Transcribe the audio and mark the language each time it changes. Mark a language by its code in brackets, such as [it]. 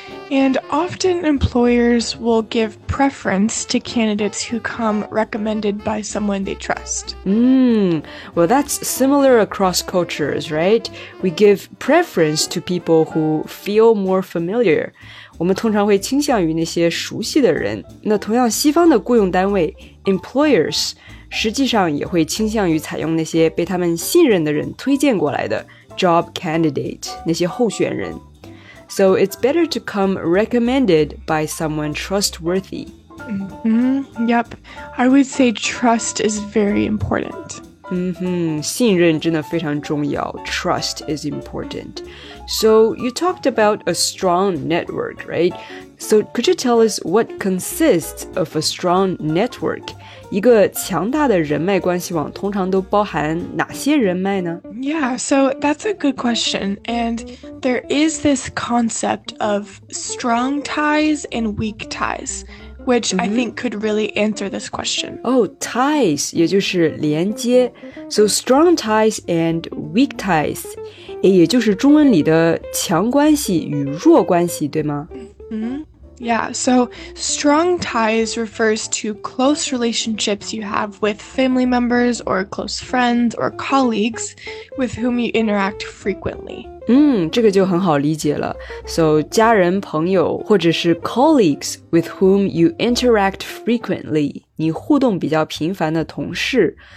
[en] And often employers will give preference to candidates who come recommended by someone they trust. Well, that's similar across cultures, right? We give preference to people who feel more familiar. [zh] 我们通常会倾向于那些熟悉的人。那同样西方的雇佣单位 employers, 实际上也会倾向于采用那些被他们信任的人推荐过来的 job candidate, 那些候选人。 [en] So it's better to come recommended by someone trustworthy. Yep. I would say trust is very important. [zh] 信任真的非常重要。 [en] Trust is important. So you talked about a strong network, right? So could you tell us what consists of a strong network? [zh] 一个强大的人脉关系网通常都包含哪些人脉呢？ [en] Yeah, so that's a good question. And there is this concept of strong ties and weak ties, which I think could really answer this question. Oh, ties, [zh] 也就是连接。 [en] So strong ties and weak ties. [zh] 也就是中文里的强关系与弱关系，对吗？ [en] Yeah, so strong ties refers to close relationships you have with family members or close friends or colleagues with whom you interact frequently. [zh] 嗯，这个就很好理解了。So, 家人、朋友或者是 [en] colleagues with whom you interact frequently, [zh] 你互动比较频繁的同事。